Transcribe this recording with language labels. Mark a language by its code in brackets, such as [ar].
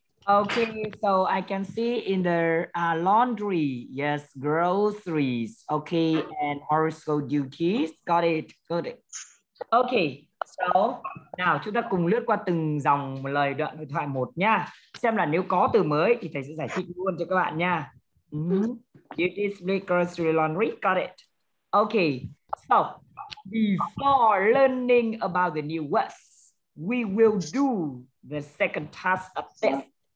[en] Okay, so I can see in the laundry, yes, groceries, okay, and household duties, got it. Okay, so now [vi] chúng ta cùng lướt qua từng dòng lời đoạn đối thoại một nha. Xem là nếu có từ mới thì thầy sẽ giải thích luôn cho các bạn nha. [en] Duties, groceries, laundry, got it. Okay, so before learning about the new words, we will do the second task of this.